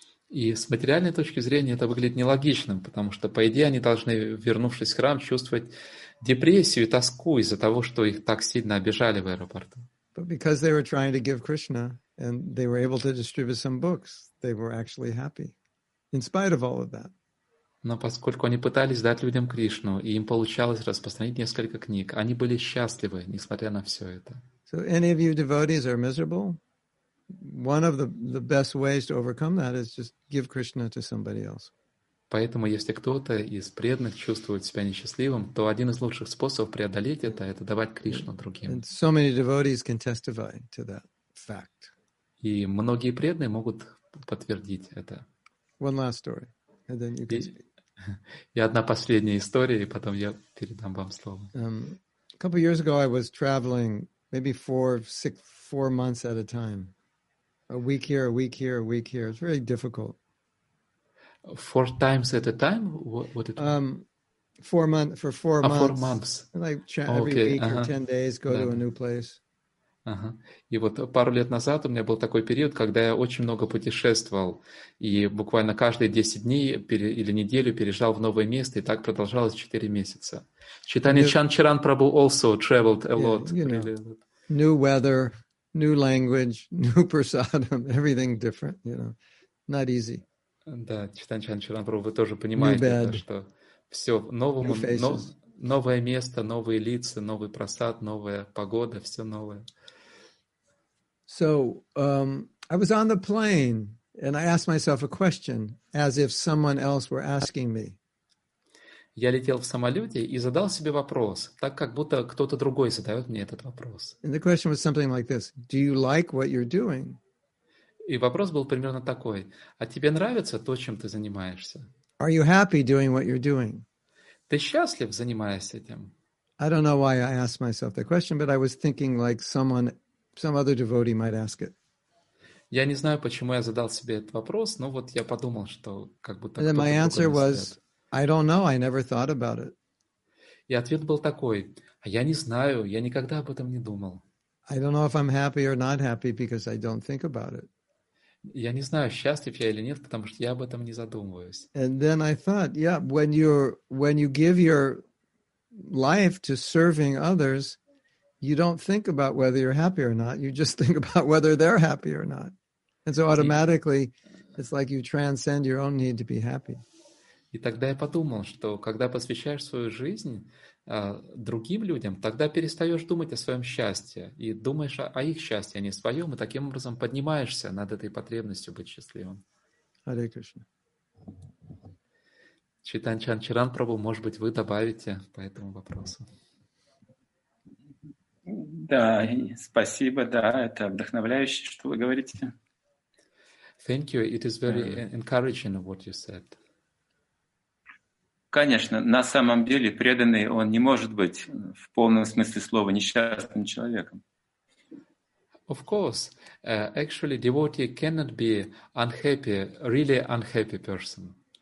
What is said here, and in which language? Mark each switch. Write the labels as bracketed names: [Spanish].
[Russian] И с материальной точки зрения это выглядит нелогичным, потому что, по идее, они должны, вернувшись в храм, чувствовать депрессию и тоску из-за того, что их так сильно обижали в аэропорту. [English] But because they were trying to give Krishna and they were able to distribute some books, they were actually happy, in spite of all of that. [Russian] Но поскольку они пытались дать людям Кришну, и им получалось распространить несколько книг, они были счастливы, несмотря на все это. [English] So any of you devotees are miserable? One of the best ways to overcome that is just give Krishna to somebody else. [Russian] Поэтому, если кто-то из преданных чувствует себя несчастливым, то один из лучших способов преодолеть это давать Кришну другим. [English] And so many devotees can testify to that fact. [Russian] И многие преданные могут подтвердить это. [English] One last story, and then you can speak. [Russian] И одна последняя история, и потом я передам вам слово. [English] A couple years ago I was traveling maybe four months at a time. A week here, a week here, a week here. It's really difficult. Four times at a time? What it? Four months. Like every week or 10 days, go to a new place. [Russian] И вот пару лет назад у меня был такой период, когда я очень много путешествовал и буквально каждые 10 дней или неделю переезжал в новое место, и так продолжалось 4 месяца. [English] Chaitanya Chanchiran Prabhu also traveled a lot. You know, new weather, new language, new prasadam, everything different. You know, not easy. [Russian] Да, Чайтанья Чаран Прабху, вы тоже понимаете, что все новому, новое место, новые лица, новый просад, новая погода, все новое. [English] So, I was on the plane, and I asked myself a question, as if someone else were asking me. [Russian] Я летел в самолете и задал себе вопрос, так как будто кто-то другой задает мне этот вопрос. [English] And the question was something like this: Do you like what you're doing? [Russian] И вопрос был примерно такой: а тебе нравится то, чем ты занимаешься? [English] Are you happy doing what you're doing? [Russian] Ты счастлив, занимаясь этим? [English] I don't know why I asked myself that question, but I was thinking like some other devotee might ask it. [Russian] Я не знаю, почему я задал себе этот вопрос, но вот я подумал, что как будто. [English] And then my answer was, I don't know, I never thought about it. [Russian] И ответ был такой: а я не знаю, я никогда об этом не думал. [English] I don't know if I'm happy or not happy because I don't think about it. [Russian] Я не знаю, счастлив я или нет, потому что я об этом не задумываюсь. [English] And then I thought, yeah, when you give your life to serving others, you don't think about whether you're happy or not, you just think about whether they're happy or not. And so automatically, it's like you transcend your own need to be happy. [Russian] И тогда я подумал, что когда посвящаешь свою жизнь другим людям, тогда перестаешь думать о своем счастье и думаешь о их счастье, а не своем, и таким образом поднимаешься над этой потребностью быть счастливым. Харе Кришна. Чайтанья Чанчаран Прабху, может быть, вы добавите по этому вопросу? Да, спасибо, да, это вдохновляюще, что вы говорите. [English] Thank you, it is very encouraging what you said. [Russian] Конечно, на самом деле преданный, он не может быть в полном смысле слова несчастным человеком. [English] Of course, actually devotee cannot be unhappy, really unhappy person.